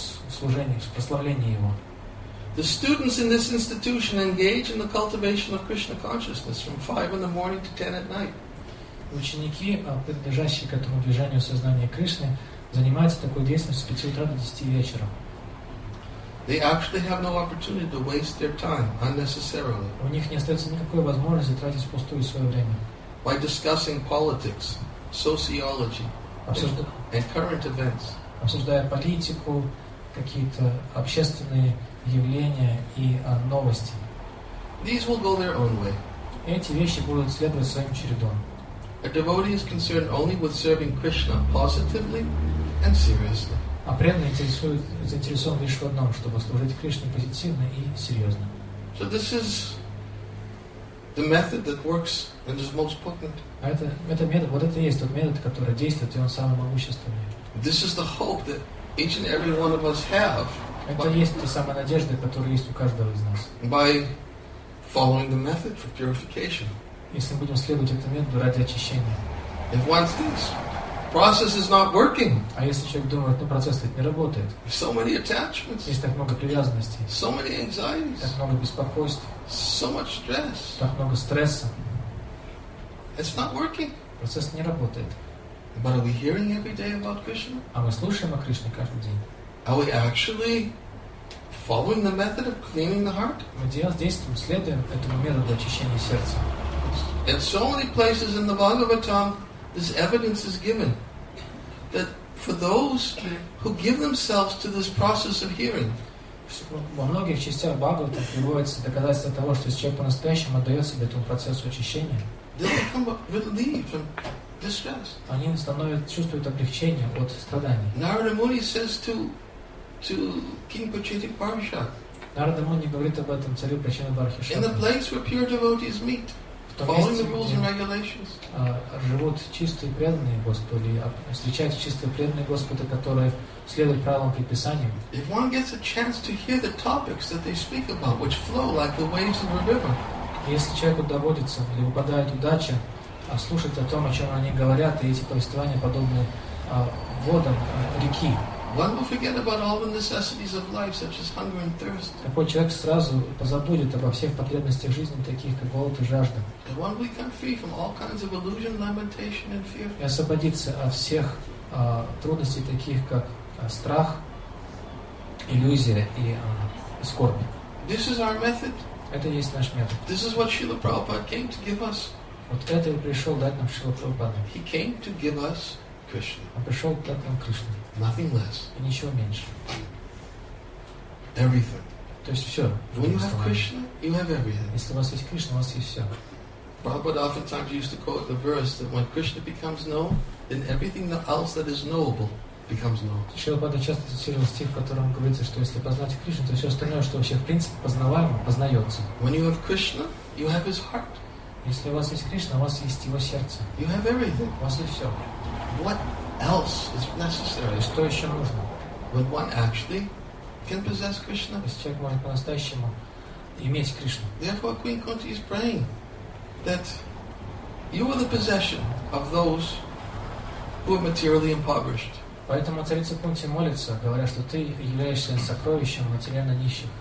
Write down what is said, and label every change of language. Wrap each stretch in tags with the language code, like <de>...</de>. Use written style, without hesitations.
<ru>служение, прославление его.</ru> <en>The students in this institution engage in the cultivation of Krishna consciousness from 5 in the morning to 10 at night.</en> <ru>Ученики, принадлежащие к этому движению сознания Кришны, занимаются такой деятельностью с 5 утра до 10 вечера.</ru> <en>They actually have no opportunity to waste their time unnecessarily.</en> <ru>У них не остается никакой возможности тратить впустую свое время.</ru> <en>By discussing politics, sociology, and current events.</en> <ru>Обсуждая политику, какие-то общественные явления и новости.</ru> <en>These will go their own way.</en> <ru>Эти вещи будут следовать своим чередом.</ru> <en>A devotee is concerned only with serving Krishna positively and seriously.</en> <ru>А преданный заинтересован лишь в одном, чтобы служить Кришне позитивно и серьезно.</ru> <en>So this is the method that works and is most potent.</en> <ru>Это метод, который действует, и он самый могущественный.</ru> <en>This is the hope that each and every one of us have.</en> <ru>Это есть та самая надежда, которая есть у каждого из нас.</ru> <en>By following the method for purification.</en> <ru>Если будем следовать этому методу ради очищения.</ru> <en>If one thinks process is not working.</en> <ru>А если человек думает, ну процесс ведь не работает.</ru> <en>So many attachments.</en> <ru>Есть так много привязанностей.</ru> <en>So many anxieties.</en> <ru>Так много беспокойств.</ru> <en>So much stress.</en> <ru>Так много стресса.</ru> <en>It's not working.</en> <ru>Процесс не работает.</ru> <en>But are we hearing every day about Krishna?</en> <ru>А мы слушаем о Кришне каждый день?</ru> <en>Are we actually following the method of cleaning the heart?</en> <ru>Мы действуем, следуем этому методу очищения сердца.</ru> <en>In so many places in the Bhagavatam, this evidence is given that for those who give themselves to this process of hearing,</en> <ru>во многих частях Бхагавата приводится доказательство того, что если человек по-настоящему отдает себя этому процессу очищения,</ru> <en>they become relieved from distress.</en> <ru>Они становятся, чувствуют облегчение от страданий.</ru> <en>Narada Muni says to King Pachiti Parishad.</en> <ru>Narada Muni говорит об этом царю Прачина Бархишат.</ru> <en>In the place where pure devotees meet. Following the rules and regulations.</en> <ru>Живут чистые преданные Господи, встречаются чистые преданные Господи, которые следуют правилам предписаниям.</ru> <en>If one gets a chance to hear the topics that they speak about, which flow like the waves of a river.</en> <ru>Если человеку доводится или выпадает удача, слушать о том, о чем они говорят, и эти повествования подобны водам реки.</ru> <en>One will forget about all the necessities of life, such as hunger and thirst.</en> <ru>Такой человек сразу позабудет обо всех потребностях жизни, таких как голод и жажда.</ru> <en>And one will become free from all kinds of illusion, lamentation, and fear.</en> <ru>И освободиться от всех трудностей, таких как страх, иллюзия и скорбь.</ru> <en>This is our method.</en> <ru>Это есть наш метод.</ru> <en>This is what Srila Prabhupada came to give us.</en> <ru>Вот это и пришел дать нам Шрила Прабхупада.</ru> <en>He came to give us Krishna.</en> <ru>Он пришел дать нам Кришну.</ru> <en>Nothing less.</en> <ru>И ничего меньше.</ru> <en>Everything.</en> <ru>То есть все.</ru> <en>When you have Krishna, you have everything.</en> <ru>Если у вас есть Кришна, у вас есть все.</ru> <en>Prabhupada oftentimes used to quote the verse that when Krishna becomes known, then everything else that is knowable becomes known.</en> <ru>Шрила Прабхупада часто цитировал стих, в котором говорится, что если познать Кришну, то все остальное, что вообще в принципе познаваемо, познается.</ru> <en>When you have Krishna, you have his heart.</en> <ru>Если у вас есть Кришна, у вас есть его сердце.</ru> <en>You have everything.</en> <ru>У вас есть все.</ru> <en>What else is necessary?</en> <ru>Что еще нужно?</ru> <en>When one actually can possess Krishna.</en> <ru>Если человек может по-настоящему иметь Кришну.</ru> <en>Therefore, Queen Kunti is praying that you are the possession of those who are materially impoverished.</en> <ru>Поэтому царица Кунти молится, говоря, что ты являешься сокровищем материально нищих.</ru>